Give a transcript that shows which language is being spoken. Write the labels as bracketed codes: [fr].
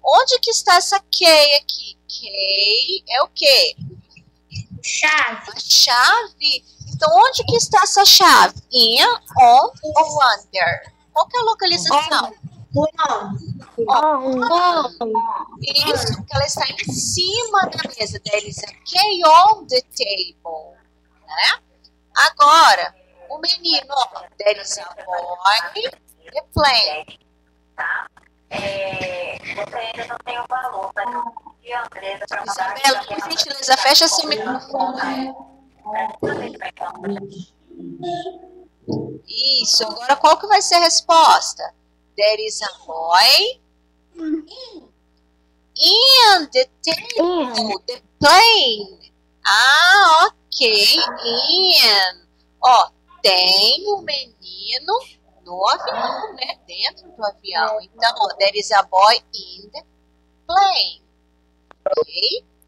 [pt] Onde que está essa key aqui? Key é o quê? Chave. A chave? Então, onde que está essa chave? In, on ou under? Qual que é a localização? Isso, porque ela está em cima da mesa. [en] There is a key on the table, né? [pt] Agora, o menino, ó, [en] there is a boy in the plane. [pt] Você ainda não tem o valor, tá? Isabela, por gentileza, fecha seu microfone. Isso, agora qual que vai ser a resposta? [en] There is a boy in the table, the plane. Ah, ok, in. [pt] Ó, tem um menino no avião, né, dentro do avião. [en] Então, there is a boy in the plane, ok?